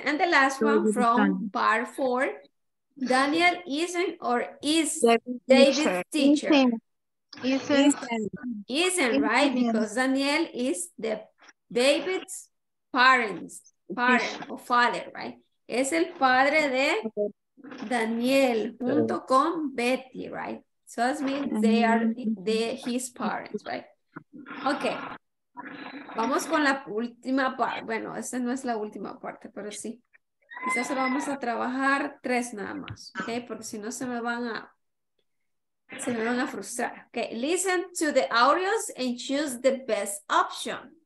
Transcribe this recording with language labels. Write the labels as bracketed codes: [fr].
[en] And the last one from part four. Daniel isn't or is David's teacher? Isn't, right? Because Daniel is the David's parent or father, right? [es] Es el padre de Daniel junto con Betty, [en] right? So that means they are his parents, right? [es] Okay. Vamos con la última parte. Bueno, esta no es la última parte, pero sí. Quizás solo vamos a trabajar tres nada más, ¿ok? Porque si no se me van a frustrar, ¿ok? [en] Listen to the audios and choose the best option.